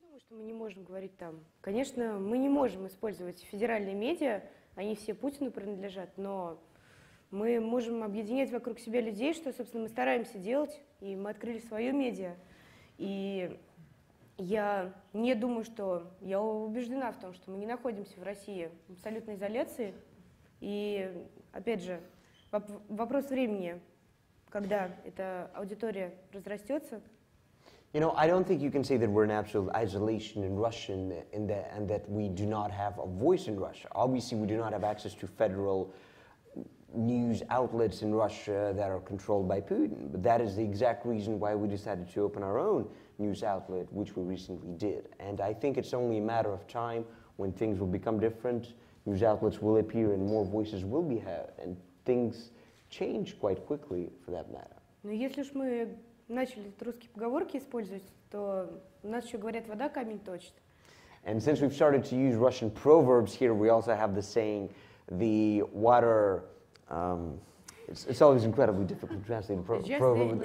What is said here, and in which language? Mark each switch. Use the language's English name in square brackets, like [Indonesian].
[Russian] Мы не можем говорить там. Конечно, мы не можем использовать федеральные медиа, они все Путину принадлежат, но мы можем объединять вокруг себя людей, что, собственно, мы стараемся делать, и мы открыли свое медиа. И я не думаю, что... Я убеждена в том, что мы не находимся в России в абсолютной изоляции. И, опять же, вопрос времени, когда эта аудитория разрастется. [English] You know, I don't think you can say that we're in absolute isolation in Russia and that we do not have a voice in Russia. Obviously, we do not have access to federal news outlets in Russia that are controlled by Putin. But that is the exact reason why we decided to open our own news outlet, which we recently did. And I think it's only a matter of time when things will become different, news outlets will appear, and more voices will be heard. And things change quite quickly, for that matter. [Russian] Начали тут русские поговорки использовать, то у нас еще говорят, вода камень точит. [English] And since we've started to use Russian proverbs here, we also have the saying, the water, it's always incredibly difficult to translate proverb.